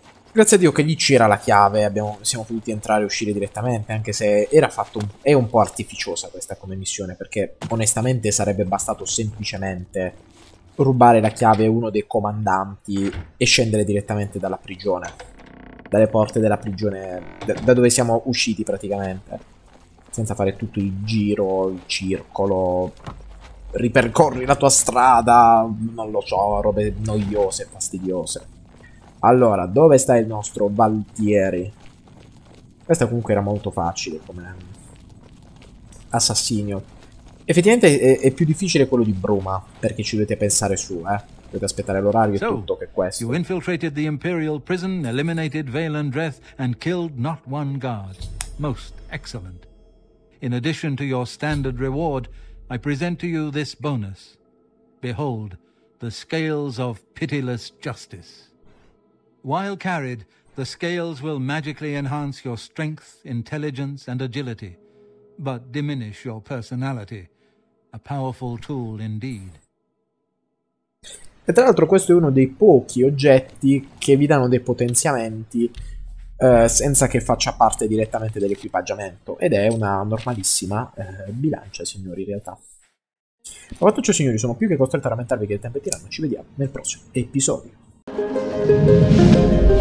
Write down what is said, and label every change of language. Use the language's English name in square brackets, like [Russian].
[Italian] Grazie a Dio che lì c'era la chiave, siamo potuti entrare e uscire direttamente, anche se era fatto è un po' artificiosa questa come missione, perché onestamente sarebbe bastato semplicemente rubare la chiave a uno dei comandanti e scendere direttamente dalla prigione, dalle porte della prigione, da dove siamo usciti praticamente, senza fare tutto il giro, il circolo, ripercorri la tua strada, non lo so, robe noiose e fastidiose. Allora, dove sta il nostro Valtieri? Questa comunque era molto facile come assassino. Effettivamente è più difficile quello di Bruma, perché ci dovete pensare su, eh. Dovete aspettare l'orario e tutto, che è questo. [English] You infiltrated the Imperial prison, eliminated Valandreth and killed not one guard. Most excellent. In addition to your standard reward, I present to you this bonus. Behold, the scales of pitiless justice. While carried, the scales will magically enhance your strength, intelligence, and agility, but diminish your personality. A powerful tool indeed. [Italian] E tra l'altro questo è uno dei pochi oggetti che vi danno dei potenziamenti senza che faccia parte direttamente dell'equipaggiamento, ed è una normalissima bilancia, signori, in realtà. Ma fatto ciò, signori, sono più che costretto a rammentarvi che il tempo è tiranno. Ci vediamo nel prossimo episodio. [English] Thank you.